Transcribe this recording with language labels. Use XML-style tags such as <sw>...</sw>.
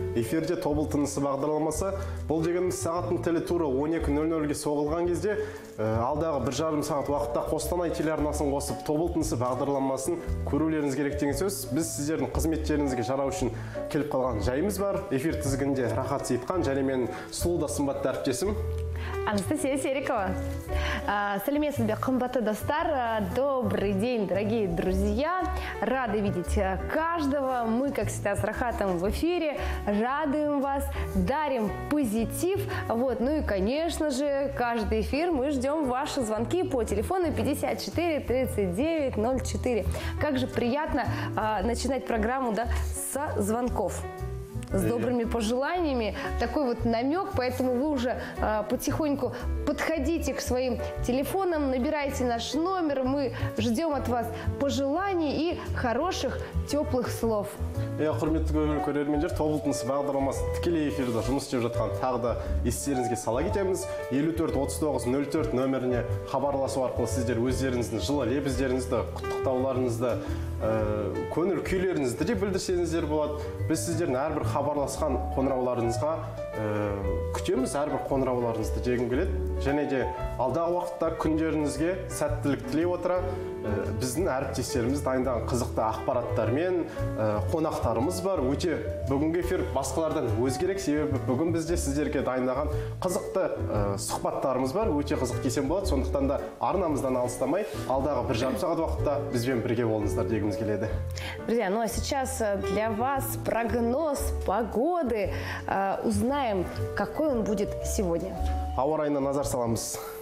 <kk>Эфирде тобыл тынысы бағдарламасы. Бұл дегеніміз сағаттың телетуры 12:00-ге соғылған кезде, алдағы бір жарым сағат уақытта Қостанай телеарнасын қосып, тобыл тынысы бағдарламасын көрулеріңіз керек деген сөз. Біз сіздердің қызметтеріңізге жарау үшін келіп қалған жайымыз бар. Эфир тізгінде Рахат Сейітхан және мен сұлу да сымбатты әріптесім. Анастасия Серикова. Сәлеметсіз бе, қымбатты достар.</kk> <ru>Добрый день, дорогие друзья. Рады видеть каждого. Мы, как всегда, с Рахатом в эфире. Радуем вас, дарим позитив. Вот. Ну и, конечно же, каждый эфир мы ждем ваши звонки по телефону 54-39-04. Как же приятно начинать программу, да, со звонков. С добрыми пожеланиями, такой вот намек, поэтому вы уже потихоньку подходите к своим телефонам, набирайте наш номер, мы ждем от вас пожеланий и хороших, теплых слов.</ru> <kk>Я құрметті көрермендер, тобылтынсы бағдарламасы тікелей эфирді жұмыс істеп жатқан тағы да естеріңізге сала кетеміз. 54-39-04 номеріне хабарласу арқылы сіздер өздеріңіздің жылы лебіздеріңізді, құттықтауларыңызды, көңіл күйлеріңізді де білдірсеңіздер болады. Біз сіздердің әрбір хабарласқан қоңырауларыңызға күтеміз, әрбір қоңырауларыңызды жегім келеді. Және де алдағы уақытта күндеріңізге сәттілік тілей отыра, біздің әріптестеріміз дайындаған қызықты ақпараттармен қонақтарымыз бар. Өте бүгінгі эфир басқалардан өзгерек, себебі бүгін бізде сіздерге дайындаған қызықты сұхбаттарымыз бар. Өте қызық кесем болады, сондықтан да арнамыздан алыстамай, алдағы бір жарым сағат уақытта бізбен бірге болыңыздар дегіміз келеді.</kk> <ru>Друзья, ну а сейчас для вас прогноз погоды. Узнаем, какой он будет сегодня.</ru> <kk>Ауа райына назар саламыз.</kk>